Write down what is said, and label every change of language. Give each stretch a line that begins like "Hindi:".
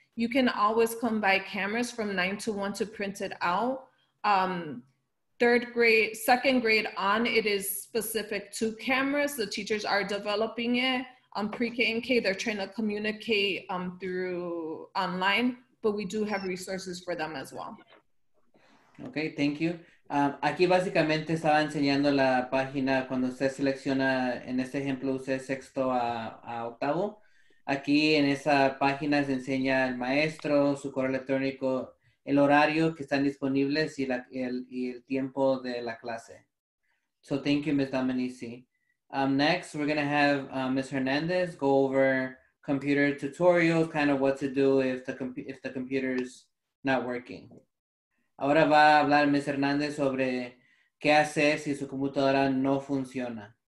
English: You can always come by Cameras from 9 to 1 to print it out. Second grade on, it is specific to Cameras. The teachers are developing it. Pre-K and K, they're trying to communicate through online, but we do have resources for them as well. Okay, thank you.
Spanish: Aquí básicamente estaba enseñando la página cuando usted selecciona, en este ejemplo, usted sexto a octavo. Aquí en esa página se enseña el maestro, su correo electrónico, el horario que están disponibles y el tiempo de la clase.
English: So thank you, Ms. Dominici. Next, we're going to have Ms. Hernandez go over computer tutorials, kind of what to do if the computer's not working.
Spanish: Ahora va a hablar Ms. Hernandez sobre qué hacer si su computadora no funciona.